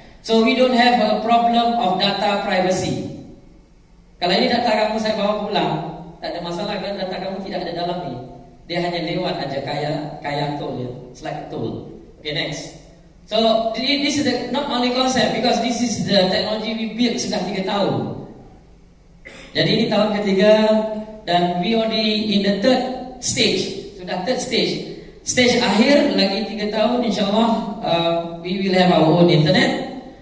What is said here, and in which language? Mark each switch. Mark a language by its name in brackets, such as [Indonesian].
[English] So we don't have a problem of data privacy. [Indonesian] Kalau ini data kamu saya bawa pulang, tak ada masalah kan, data kamu tidak ada dalam ni. Dia hanya lewat aja kayak tool ya, [English] it's like tool. Okay, next. So this is not only concept, because this is the technology we built [Indonesian] sudah 3 tahun. Jadi ini tahun ketiga dan [English] we already in the third stage. [Indonesian] Sudah [English] third stage. [Indonesian] Stage akhir lagi 3 tahun insyaAllah [English] we will have our own internet.